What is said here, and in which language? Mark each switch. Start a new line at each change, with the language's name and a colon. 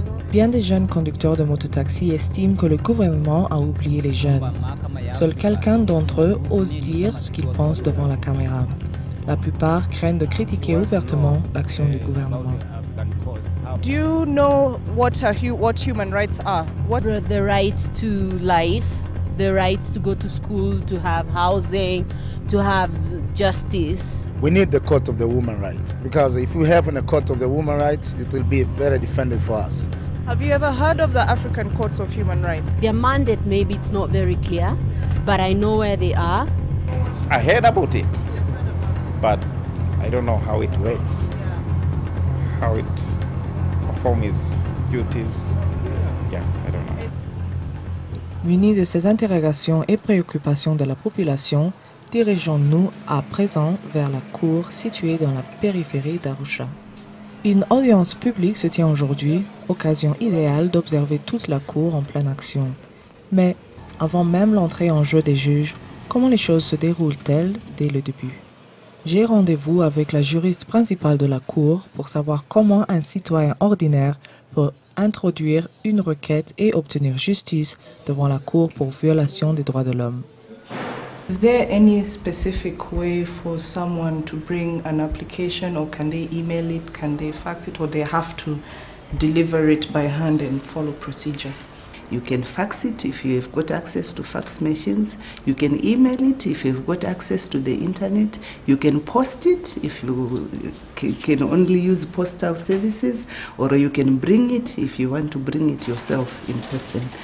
French: Bien des jeunes conducteurs de mototaxi estiment que le gouvernement a oublié les jeunes. Seul quelqu'un d'entre eux ose dire ce qu'il pense devant la caméra. La plupart craignent de critiquer ouvertement l'action du gouvernement.
English: Do you know what human rights are? What the right to life, the right to go to school, to have housing, to have justice. We need the court of the woman right, because if we have a court of the woman right, it will be very defended for us. Have you ever heard of the African courts of human rights? Their mandate, maybe it's not very clear, but I know where they are. I heard about it, but I don't know how it works. How it perform his duties. Yeah, I don't know.
French: Muni de ces interrogations et préoccupations de la population, dirigeons-nous à présent vers la cour située dans la périphérie d'Arusha. Une audience publique se tient aujourd'hui, occasion idéale d'observer toute la cour en pleine action. Mais avant même l'entrée en jeu des juges, comment les choses se déroulent-elles dès le début? J'ai rendez-vous avec la juriste principale de la cour pour savoir comment un citoyen ordinaire peut introduire une requête et obtenir justice devant la cour pour violation des droits de l'homme.
English: Is there any specific way for someone to bring an application, or can they email it, can they fax it, or they have to deliver it by hand and follow procedure? You can fax it if you've got access to fax machines. You can email it if you've got access to the internet. You can post it if you can only use postal services, or you can bring it if you want to bring it yourself in person.